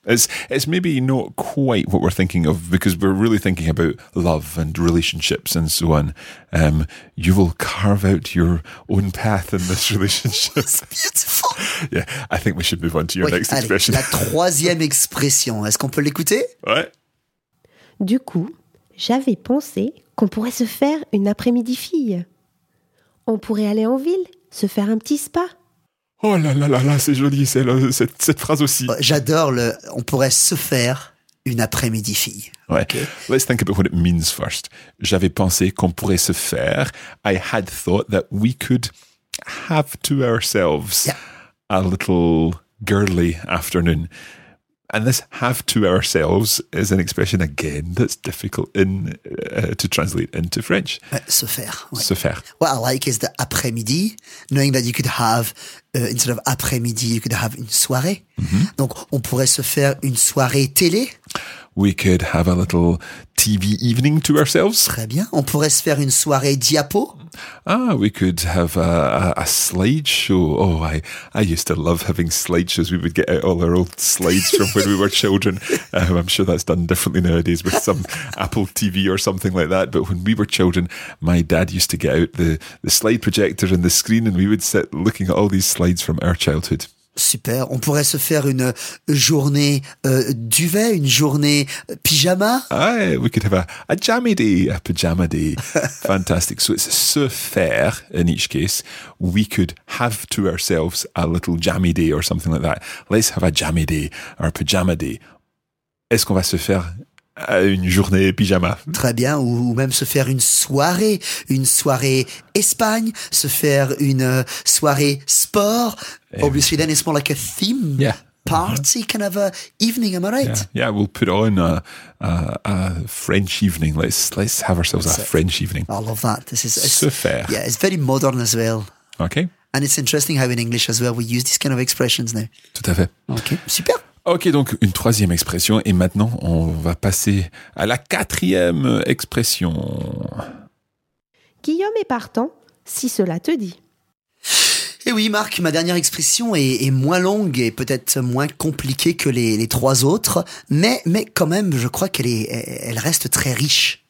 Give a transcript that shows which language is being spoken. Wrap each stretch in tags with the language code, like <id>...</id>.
<en>It's maybe not quite what we're thinking of because we're really thinking about love and relationships and so on. You will carve out your own path in this relationship. It's beautiful. Yeah, I think we should move on to your next expression.</en> <fr>La troisième expression. Est-ce qu'on peut l'écouter? Ouais. Du coup, j'avais pensé qu'on pourrait se faire une après-midi fille. On pourrait aller en ville, se faire un petit spa. Oh là là là là, c'est joli, cette phrase aussi. J'adore le « on pourrait se faire une après-midi fille ».</fr> <en>Ouais. Okay. Let's think about what it means first.</en> <fr>J'avais pensé qu'on pourrait se faire.</fr> <en>I had thought that we could have to ourselves a little girly afternoon. And this have to ourselves is an expression, again, that's difficult to translate into French.</en> <fr>Se faire. Ouais. Se faire.</fr> <en>What I like is the après-midi, knowing that you could have, instead of après-midi, you could have une soirée. Mm-hmm.</en> <fr>Donc, on pourrait se faire une soirée télé.</fr> <en>We could have a little TV evening to ourselves.</en> <fr>Très bien. On pourrait se faire une soirée diapo.</fr> <en>Ah, we could have a slideshow. Oh, I used to love having slideshows. We would get out all our old slides from when we were children. I'm sure that's done differently nowadays with some Apple TV or something like that. But when we were children, my dad used to get out the slide projector and the screen and we would sit looking at all these slides from our childhood.</en> <fr>Super. On pourrait se faire une journée duvet, une journée pyjama.</fr> <en>Aye, we could have a jammy day, a pyjama day. Fantastic. So it's se faire in each case. We could have to ourselves a little jammy day or something like that. Let's have a jammy day or a pyjama day.</en> <fr>Est-ce qu'on va se faire une journée pyjama? Très bien. Ou même se faire une soirée Espagne, se faire une soirée sport.</fr> <en>Obviously, then it's more like a theme party, kind of a evening. Am I right? Yeah, we'll put on a French evening. Let's have ourselves a French evening. I love that. This is so fair. Yeah, it's very modern as well. Okay. And it's interesting how in English as well we use these kind of expressions now.</en> <fr>Tout à fait.</fr> <en>Okay. Super.</en> <fr>Ok, donc une troisième expression et maintenant on va passer à la quatrième expression. Guillaume est partant, si cela te dit. Eh oui Marc, ma dernière expression est moins longue et peut-être moins compliquée que les trois autres, mais quand même je crois qu'elle reste très riche.</fr>